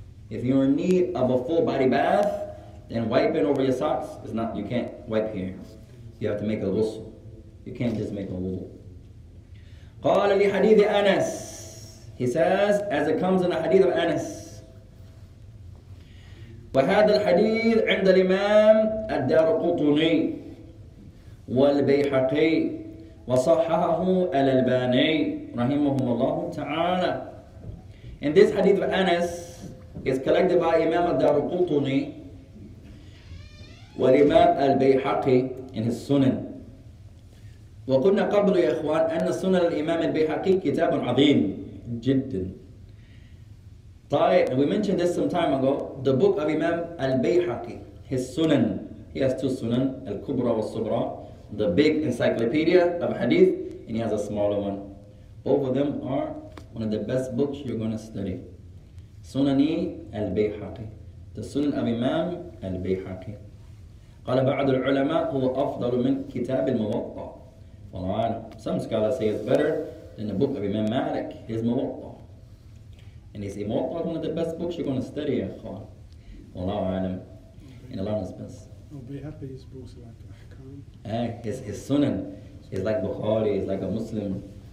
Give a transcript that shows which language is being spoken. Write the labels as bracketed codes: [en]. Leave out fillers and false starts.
[en] If you're in need of a full body bath, then wiping over your socks is not, you can't wipe here. You have to make a ghusl. You can't just make a wudu. [ar] قال لي حديث أنس. [en] He says, as it comes in the hadith of Anas. [ar] وهذا الحديث عند الإمام الدارقطني والبيحقي وصححه الألباني رحمه الله تعالى. [en] And this hadith of Anas is collected by Imam الدارقطني والإمام البيحقي in his Sunan. [ar] وقلنا قبل يا إخوان أن سنة الإمام البيحقي كتاب عظيم جدا. [en] طيب, we mentioned this some time ago. The book of Imam al-Bayhaqi, his Sunan. He has two Sunan, al-Kubra wa al-Sugra, the big encyclopedia of hadith, and he has a smaller one. Both of them are one of the best books you're going to study. Sunani al-Bayhaqi, the Sunan of Imam al-Bayhaqi. [ar] قال بعض العلماء هو أفضل من كتاب الموطأ. [en] والله some scholars say it's better than the book of Imam Malik, his Muwatta. And he says Muwatta is one of the best books you're going to study. [ar] والله أعلم. [en] And Allah knows best. Al Bayhaqi, his books like Ahkam. His Sunan is like Bukhari, is like a Muslim.